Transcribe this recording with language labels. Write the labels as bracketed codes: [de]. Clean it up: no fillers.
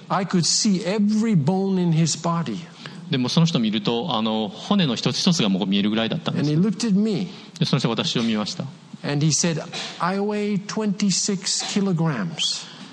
[en] I could see every bone in his body. [ja] でもその人を見ると骨の一つ一つがもう見えるぐらいだったんです。でその人は私を見ました。 [en] And he said, I weigh 26 kilograms.